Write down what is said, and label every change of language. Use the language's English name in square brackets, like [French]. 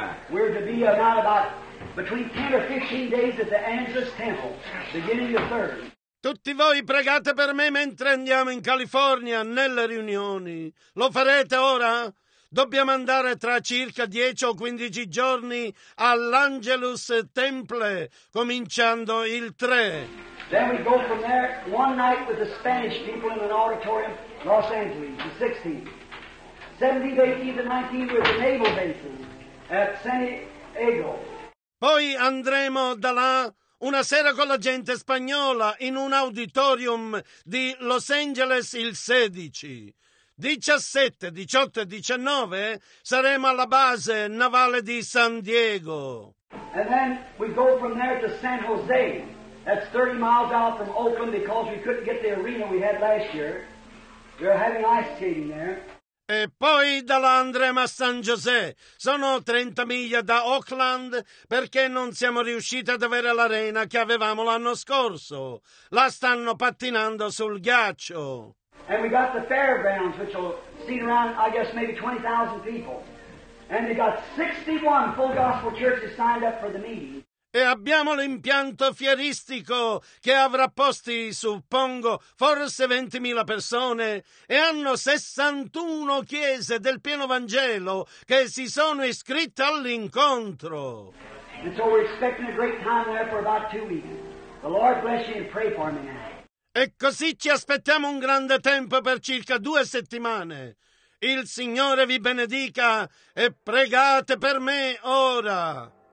[English] We're to be about between 10 or 15 days at the Angeles Temple, beginning the 3rd. [Italian] Tutti voi pregate per me mentre andiamo in California nelle riunioni. Lo farete ora? Dobbiamo andare tra circa 10 o 15 giorni all'Angelus Temple, cominciando il 3. [English] Then we go from there one night with the Spanish people in an auditorium, Los Angeles, the 16th. 17th, 18th, and 19th with the naval bases at San Diego. [Italian] Poi andremo da là una sera con la gente spagnola in un auditorium di Los Angeles il 16. 17, 18 e 19 saremo alla base navale di San Diego. [English] And then we go from there to San Jose. That's 30 miles out from Oakland because we couldn't get the arena we had last year. We're having ice skating there. [Italian] E poi da là andremo a San José. Sono 30 miglia da Oakland perché non siamo riusciti ad avere l'arena che avevamo l'anno scorso. La stanno pattinando sul ghiaccio. [English] And we got the fairgrounds which will seat around, I guess, maybe 20,000 people. And they got 61 full gospel churches signed up for the meeting. [Italian] E abbiamo l'impianto fieristico che avrà posti, suppongo, forse 20.000 persone e hanno 61 chiese del pieno Vangelo che si sono iscritte all'incontro. [English] And so we're expecting a great time there for about 2 weeks. The Lord bless you and pray for me now. [Italian] E così ci aspettiamo un grande tempo per circa 2 settimane. Il Signore vi benedica e pregate per me ora.